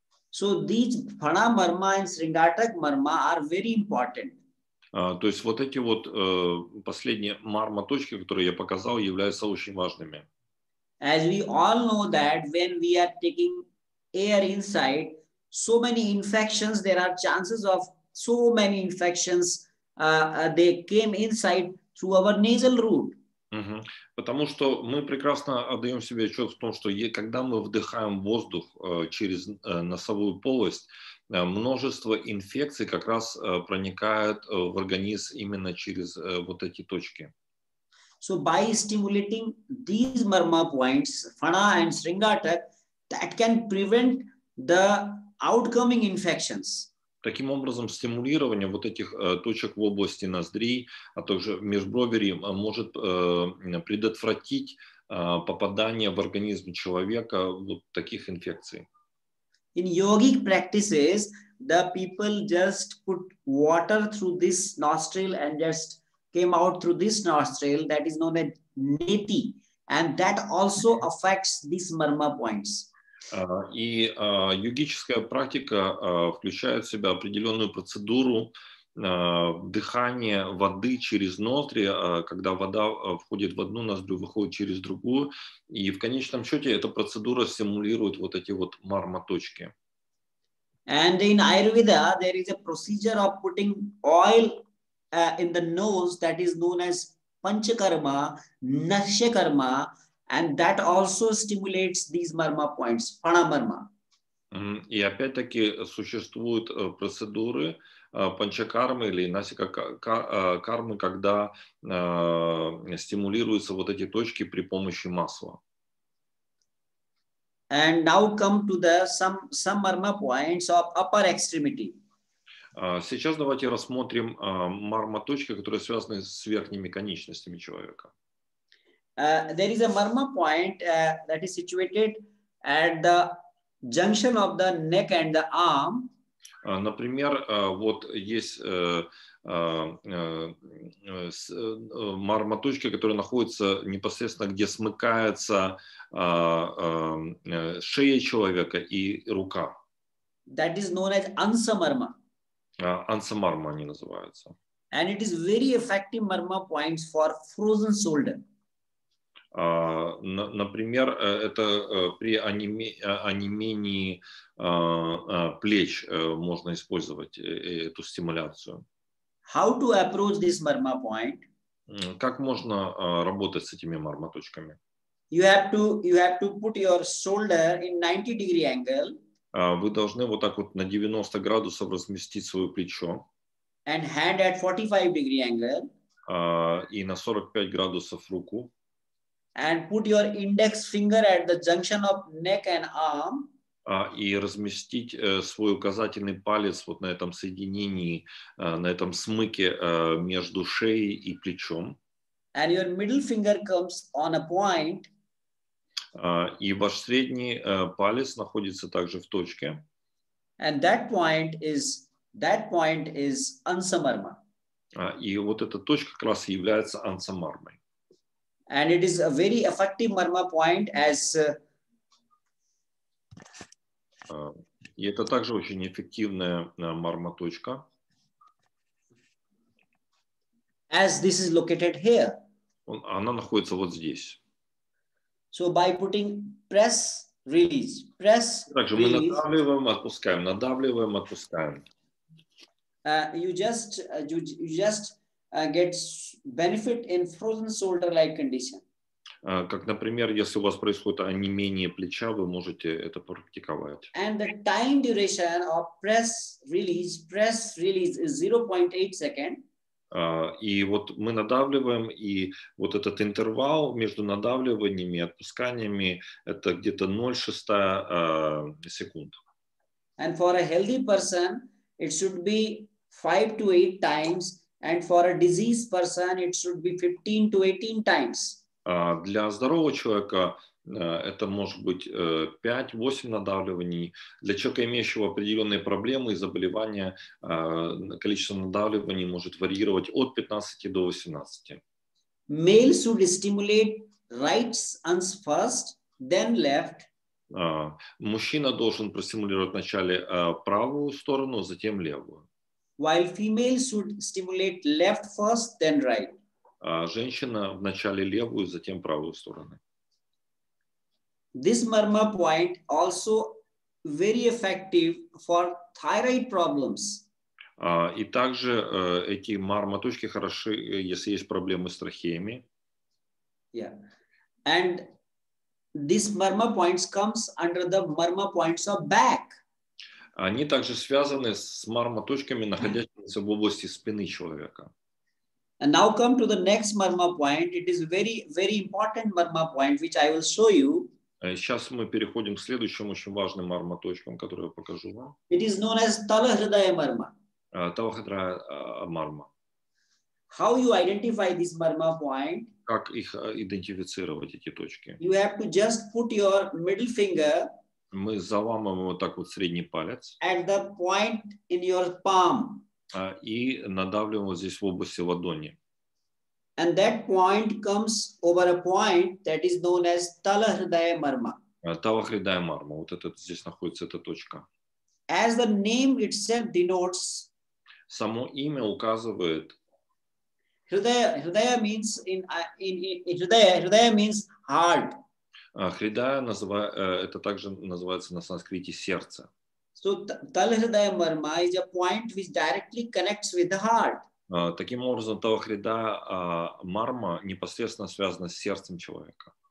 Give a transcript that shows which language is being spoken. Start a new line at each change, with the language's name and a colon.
English: So these phana marma and sringatak marma are very important.
Russian: То есть вот эти вот последние марма точки, которые я показал, являются очень важными.
English: As we all know that when we are taking air inside, so many infections, there are chances of so many infections they came inside through our nasal route.
Russian: Потому что мы прекрасно отдаем себе отчет в том, что когда мы вдыхаем воздух через носовую полость, множество инфекций как раз проникает в организм именно через вот эти точки.
English: So by stimulating these marma points, phana and sringatak, that can prevent the outcoming infections.
Russian: Таким образом, стимулирование вот этих точек в области ноздрей, а также межброверий, может предотвратить попадание в организм человека вот таких инфекций.
English: In yogic practices, the people just put water through this nostril and just came out through this nostril, that is known as neti, and that also affects these marma points.
Russian: И йогическая практика включает в себя определенную процедуру дыхания воды через ноздри, когда вода входит в одну ноздрю, выходит через другую, и в конечном счете эта процедура стимулирует вот эти вот марма точки.
English: And in Ayurveda there is a procedure of putting oil in the nose that is known as panchakarma, nashyakarma. And that also stimulates these marma points, phana marma.
Russian: И опять-таки существуют процедуры панчакармы или насика кармы, когда стимулируются вот эти точки при помощи масла.
English: And now come to the some marma points of upper extremity.
Russian: Сейчас давайте рассмотрим марма точки, которые связаны с верхними конечностями человека.
English: There is a marma point that is situated at the junction of the neck and the arm.
Russian: Например, вот есть марма точка, которая находится непосредственно, где смыкается шея человека и рука.
English: That is known as ansa marma.
Russian: Ansa marma они называются.
English: And it is very effective marma points for frozen shoulder.
Russian: Например, это при онемении плеч можно использовать эту стимуляцию.
English: How to approach this marma point?
Russian: Как можно работать с этими марма точками?
English: You have to put your shoulder in 90 degree angle.
Russian: Вы должны вот так вот на 90 градусов разместить свое плечо.
English: And hand at 45 degree angle.
Russian: И на 45 градусов руку.
English: And put your index finger at the junction of neck and arm.
Russian: и разместить свой указательный палец вот на этом соединении, на этом смыке между шеей и плечом.
English: And your middle finger comes on a point.
Russian: И ваш средний палец находится также в точке.
English: And that point is ансамарма.
Russian: И вот эта точка как раз является ансамармой.
English: And it is a very effective marma point as.
Russian: И это также очень эффективная марма точка.
English: As this is located here.
Russian: Она находится вот здесь.
English: So by putting press, release, press.
Russian: Также
English: release,
Russian: мы надавливаем, отпускаем.
English: You just get benefit in frozen shoulder-like condition.
Russian: Как, например, если у вас происходит онемение плеча, вы можете это практиковать.
English: And the time duration of press release is 0.8 second.
Russian: И вот мы надавливаем, и вот этот интервал между надавливаниями и отпусканиями это где-то 0.6 секунд.
English: And for a healthy person, it should be 5 to 8 times, and for a diseased person, it should be 15 to 18 times.
Russian: Для здорового человека это может быть 5-8 надавливаний. Для человека, имеющего определенные проблемы и заболевания, количество надавливаний может варьировать от 15 до 18.
English: Male should stimulate right arms first, then left.
Russian: Мужчина должен простимулировать вначале правую сторону, затем левую.
English: While female should stimulate left first, then right.
Russian: Женщина вначале левую, затем правую сторону.
English: This marma point also very effective for thyroid problems.
Russian: И также эти марма точки хороши, если есть проблемы с трахеями.
English: Yeah. And this marma points comes under the marma points of back.
Russian: Они также связаны с марма точками, находящимися в области спины человека.
English: And now come to the next marma point. It is very, very important marma point, which I will show you.
Russian: Сейчас мы переходим к следующим очень важным марма точкам, которые я покажу вам.
English: It is known as талахрдая марма.
Russian: Талахрдая марма.
English: How you identify this marma point?
Russian: Как их идентифицировать, эти точки?
English: You have to just put your middle finger.
Russian: Мы заламываем вот так вот средний палец.
English: At the point in your palm.
Russian: И надавливаем вот здесь в области ладони.
English: And that point comes over a point that is known as талахрдая марма.
Russian: Талахрдая марма. Вот этот здесь находится эта точка.
English: As the name itself denotes.
Russian: Само имя указывает.
English: Хрдая means хрдая means heart.
Russian: Хрдая это также называется на санскрите сердце.
English: So талахрдая марма is a point which directly connects with the heart.
Russian: Таким образом, талахрдая марма непосредственно связана с сердцем человека.